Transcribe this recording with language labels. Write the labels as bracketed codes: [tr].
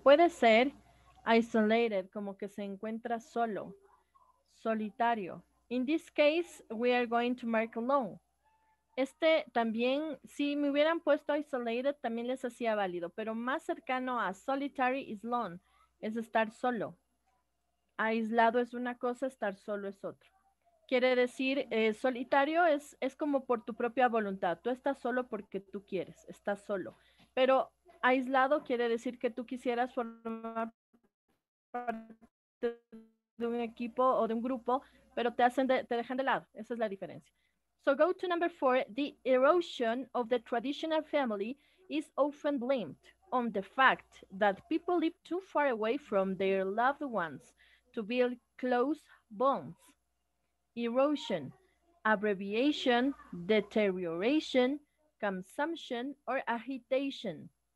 [es] Puede ser isolated, como que se encuentra solo. Solitario. [en] In this case, we are going to mark alone. [es] Este también, si me hubieran puesto isolated, también les hacía válido, pero más cercano a [en] solitary is lone, [es] es estar solo. Aislado es una cosa, estar solo es otro. Quiere decir, solitario es como por tu propia voluntad, tú estás solo porque tú quieres, estás solo. Pero aislado quiere decir que tú quisieras formar parte de un equipo o de un grupo, pero te dejan de lado, esa es la diferencia. [en] So go to number four, the erosion of the traditional family is often blamed on the fact that people live too far away from their loved ones to build close bonds. Erosion, abbreviation, deterioration, consumption, or agitation.